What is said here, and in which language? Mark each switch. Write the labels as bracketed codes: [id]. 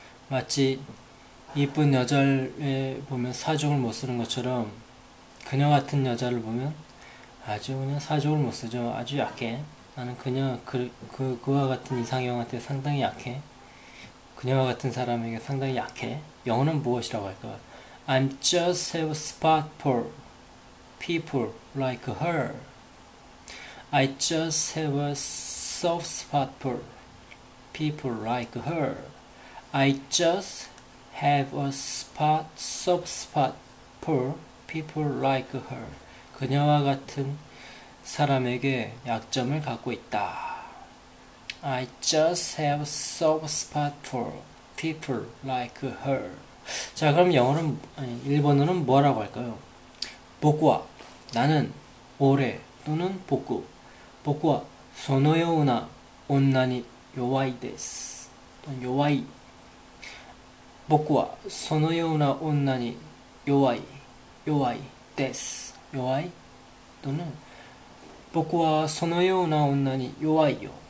[ko] 마치 이쁜 여자를 보면 사족을 못 쓰는 것처럼 그녀 같은 여자를 보면 아주 그냥 사족을 못 쓰죠. 아주 약해. 나는 그와 같은 이상형한테 상당히 약해. 그녀와 같은 사람에게 상당히 약해. 영어는 무엇이라고 할까? [en] I'm just a spot for people like her. I just have a soft spot for people like her. I just have a spot, soft spot for people like her. [ko] 그녀와 같은 사람에게 약점을 갖고 있다. [en] I just have a soft spot for people like her. [ko] 자, 그럼 일본어는 뭐라고 할까요? [ja] 僕は, [ko] 나는 오래 또는 僕. [ja] 僕は, そのような女に弱いです.弱い. 僕は, そのような女に弱い.弱いです.弱い? [ko] 또는, [ja] 僕は, そのような女に弱いよ.